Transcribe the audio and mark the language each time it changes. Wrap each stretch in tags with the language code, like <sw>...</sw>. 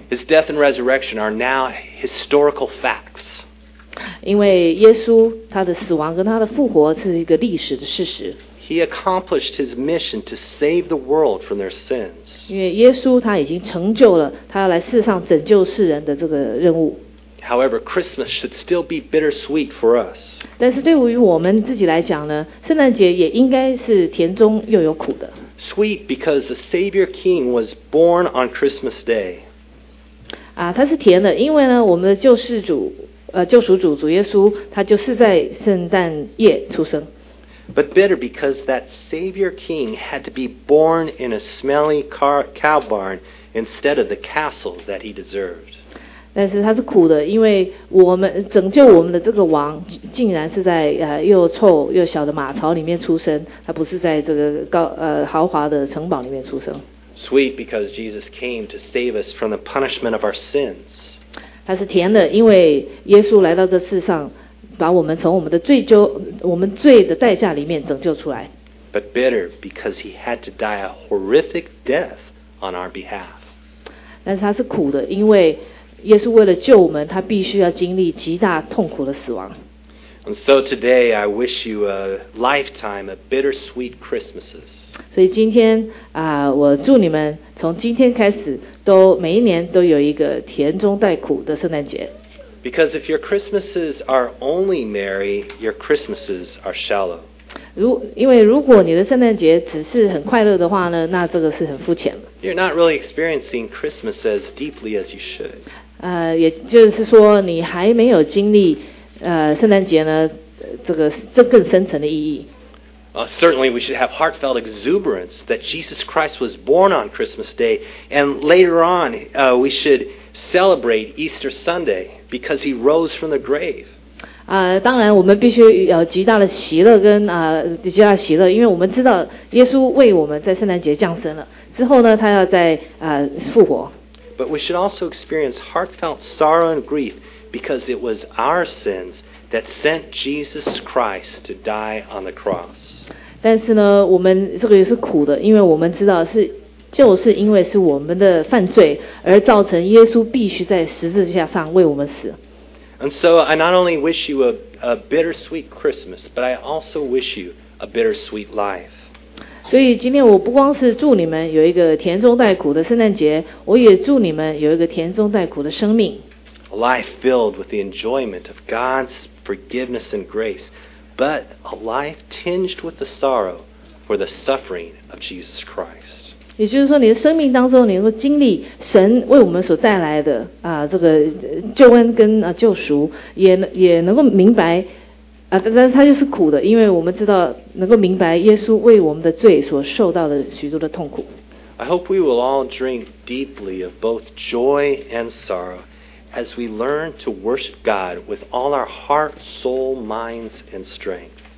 <en>His death and resurrection are now historical facts.</en> <zh>因为耶稣他的死亡跟他的复活是一个历史的事实。</zh> <en>He accomplished his mission to save the world from their sins.</en> <zh>因为耶稣他已经成就了他要来世上拯救世人的这个任务。</zh> <en>However, Christmas should still be bittersweet for us.</en> <zh>但是对于我们自己来讲呢，圣诞节也应该是甜中又有苦的。</zh> <en>Sweet because the Savior King was born on Christmas Day.</en> <zh>它是甜的，因为呢，我们的救世主，救赎主，主耶稣，他就是在圣诞夜出生。</zh> <en>But bitter because that Savior King had to be born in a smelly cow barn instead of the castle that he deserved.</en> <zh>但是它是苦的，因为我们拯救我们的这个王，竟然是在又臭又小的马槽里面出生，他不是在这个豪华的城堡里面出生。</zh> <en>Sweet because Jesus came to save us from the punishment of our sins.</en> <zh>它是甜的，因为耶稣来到这世上，把我们从我们的我们罪的代价里面拯救出来。</zh> <en>But bitter because he had to die a horrific death on our behalf.</en> <zh>但是它是苦的，因为耶稣为了救我们，他必须要经历极大痛苦的死亡。</zh> <en>And so today I wish you a lifetime of bittersweet Christmases.</en> <zh>所以今天我祝你们从今天开始都每一年都有一个甜中带苦的圣诞节。</zh> <en>Because if your Christmases are only merry, your Christmases are shallow.</en> <zh>因为如果你的圣诞节只是很快乐的话呢，那这个是很肤浅。</zh> <en>You're not really experiencing Christmas as deeply as you should.</en> <zh>也就是说你还没有经历圣诞节呢，这更深层的意义。</zh> <en>Certainly we should have heartfelt exuberance that Jesus Christ was born on Christmas Day, and later on we should celebrate Easter Sunday because he rose from the grave.</en> <zh>当然我们必须有极大的喜乐跟极大的喜乐，因为我们知道耶稣为我们在圣诞节降生了，之后呢他要再复活。</zh> <en>But we should also experience heartfelt sorrow and grief because it was our sins that sent Jesus Christ to die on the cross.</en> <zh>但是呢，我们这个也是苦的，因为我们知道是就是因为是我们的犯罪而造成耶稣必须在十字架上为我们死。</zh> <en>And so I not only wish you a bittersweet Christmas, but I also wish you a bittersweet life.</en> <zh>所以今天我不光是祝你们有一个甜中带苦的圣诞节，我也祝你们有一个甜中带苦的生命。</zh> <en>A life filled with the enjoyment of God's forgiveness and grace, but a life tinged with the sorrow for the suffering of Jesus Christ.</en> <zh>也就是说，你的生命当中，你能够经历神为我们所带来的这个救恩跟救赎，也能够明白。但是它就是苦的，因为我们知道能够明白耶稣为我们的罪所受到的许多的痛苦。</zh> <en>I hope we will all drink deeply of both joy and sorrow as we learn to worship God with all our heart, soul, minds, and strength.</en>